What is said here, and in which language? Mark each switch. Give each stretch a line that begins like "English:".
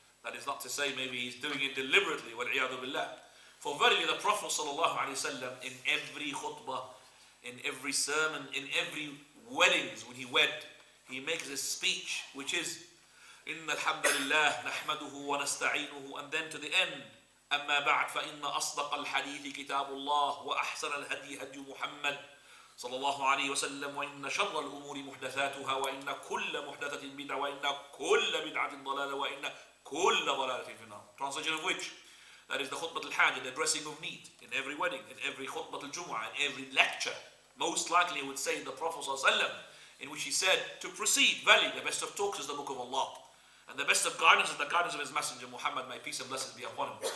English: That is not to say maybe he's doing it deliberately, wal'iyadu billah. For verily the Prophet ﷺ in every khutbah, in every sermon, in every weddings when he wed, he makes a speech which is
Arabic: إِنَّ الْحَمْدَ لِلَّهِ نَحْمَدُهُ وَنَسْتَعِينُهُ.
English: And then to the end,
Arabic: أَمَّا بَعْدْ فَإِنَّ أَصْدَقَ الْحَدِيثِ كِتَابُ اللَّهِ وَأَحْسَنَ الْهَدِي هَدْيُ مُحَمَّدٍ صلى الله عليه وسلم وإن شر الأمور محدثاتها وإن كل محدثة بدعة وإن كل بدعة ضلالة وإن كل ضلالة في النار.
English: Translation of which, that is the khutbat al-hajj, the addressing of need in every wedding, in every khutbat al-jum'ah, in every lecture. Most likely would say the Prophet صلى الله عليه وسلم, in which he said to proceed, valley, the best of talks is the book of Allah, and the best of guidance is the guidance of his messenger Muhammad, may peace and blessings be upon him.